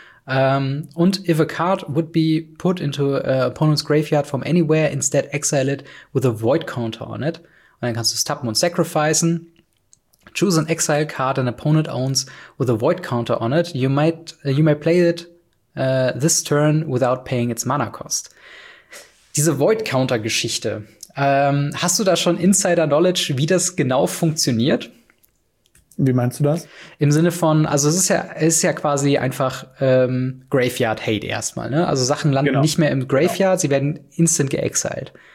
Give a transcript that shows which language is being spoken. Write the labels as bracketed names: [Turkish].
[German] Und [English] if a card would be put into an opponent's graveyard from anywhere, instead exile it with a void counter on it. [German] Und dann kannst du es tappen und sacrificen. [English] Choose an exile card an opponent owns with a void counter on it. You may play it this turn without paying its mana cost. [German] Diese void counter Geschichte. Hast du da schon insider knowledge, wie das genau funktioniert? Wie meinst du das? Im Sinne von, also es ist ja quasi einfach Graveyard Hate erstmal, ne? Also Sachen landen genau. Nicht mehr im Graveyard, genau. Sie werden instant geexiled.